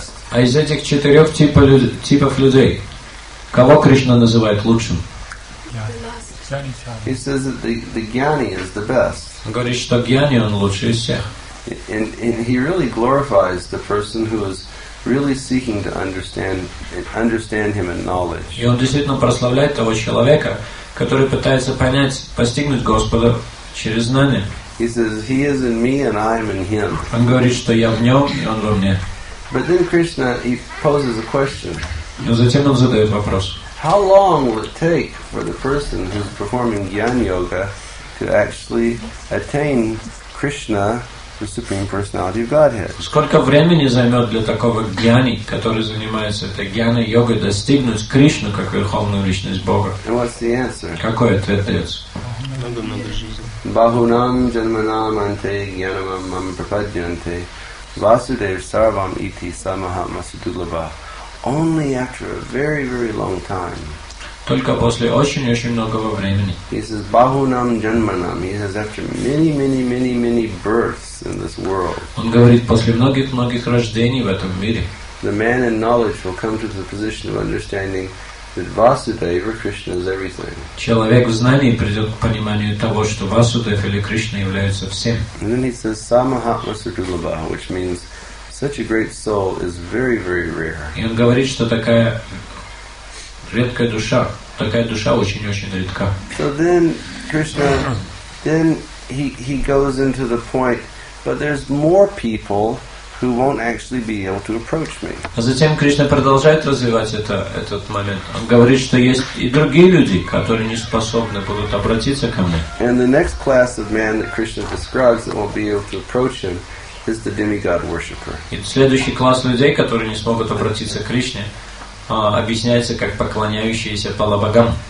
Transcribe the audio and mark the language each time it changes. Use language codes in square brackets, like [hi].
[ru] А из этих четырех типов людей, кого Кришна называет лучшим? [en] He says that the gyani is the best. [ru] Говорит, что гьяни он лучший из всех. [en] And he really glorifies the person who is really seeking to understand him in knowledge. [ru] И он действительно прославляет того человека, который пытается понять, постигнуть Господа через знание. [en] He says he is in me and I am in him. [ru] Он говорит, что я в нем и он во мне. [en] But then Krishna he poses a question. [ru] Но затем он задает вопрос. [en] How long will it take for the person who's performing Gyan Yoga to actually attain Krishna, the Supreme Personality of Godhead? [ru] Сколько времени займет для такого гьяни, который занимается этой гьяной йогой, достигнуть Кришну как верховную личность Бога? [en] And what's the answer? [ru] Какой ответ дается? [sa] Бахунам джанманам анте гьянамам мам прападьянте васудев сарвам ити самаха масудулаба. [en] Only after a very, very long time. [ru] Только после очень-очень многого времени. [en] He says, [sa] "Bahunam janmanam." [en] He says, after many, many, many, many births in this world. [ru] Он говорит после многих-многих рождений в этом мире. [en] The man in knowledge will come to the position of understanding that Vasudeva, Krishna, is everything. [ru] Человек в знании придет к пониманию того, что Васудев или Кришна являются всем. [en] And then he says, [sa] "Samahatma sudulaba," [en] which means. Such a great soul is very, very rare. [ru] И он говорит, что такая редкая душа, очень-очень редка. [en] So then Krishna, then he goes into the point, but there's more people who won't actually be able to approach me. [ru] А затем Кришна продолжает развивать этот момент. Он говорит, что есть и другие люди, которые не способны будут обратиться ко мне. [en] And the next class of man that Krishna describes that won't be able to approach him. Is the demigod worshipper. [ru] И следующий класс людей, которые не смогут обратиться к Кришне, объясняется как поклоняющиеся полубогам.